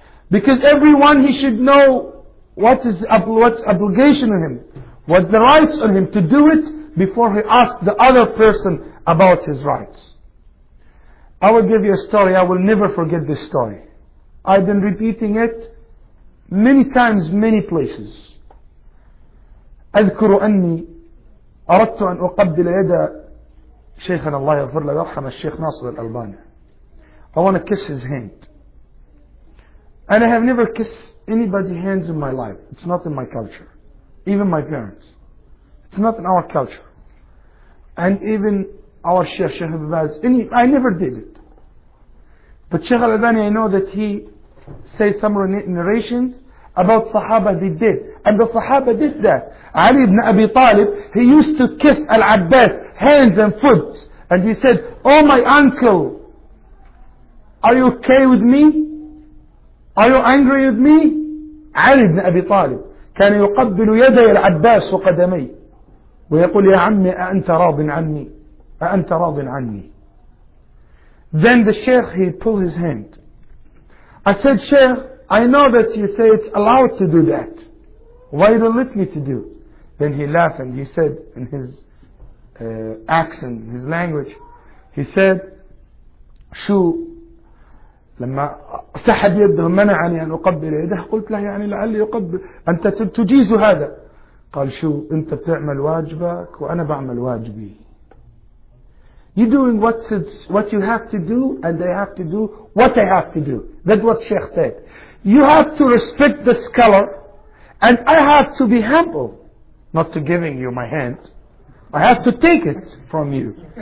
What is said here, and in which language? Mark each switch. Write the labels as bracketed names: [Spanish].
[English] Because everyone he should know what is what's obligation on him? What's the rights on him to do it before he asks the other person about his rights? I will give you a story. I will never forget this story. I've been repeating it many times, many places. [Arabic] أذكر أني أردت أن أقبل يد شيخنا الله يغفر له ويرحم الشيخ ناصر الألباني. [English] I want to kiss his hand. And I have never kissed anybody's hands in my life. It's not in my culture. Even my parents. It's not in our culture. And even our Sheikh, Sheikh Abbas, I never did it. But Sheikh Al-Albani, I know that he says some narrations about Sahaba they did. And the Sahaba did that. Ali ibn Abi Talib, he used to kiss Al-Abbas hands and foot. And he said, "Oh my uncle, are you okay with me? Are you angry with me?" [Arabic] Ali ibn Abi Talib كان يقبل يدي العباس وقدمي ويقول يا عمي أأنت راض عني أأنت راض عني. [English] Then the sheikh, he pulled his hand. I said, "Sheikh, I know that you say it's allowed to do that. Why don't let me to do?" Then he laughed and he said in his accent, his language, he said, [Arabic] "شو لما سحب يده منعني أن أقبل يده قلت له يعني لعلي يقبل أنت تجيز هذا قال شو أنت بتعمل واجبك وأنا بعمل واجبي. [English] You're doing what you have to do and I have to do what I have to do. That's what Sheikh said. You have to respect the scholar and I have to be humble not to giving you my hand. I have to take it from you.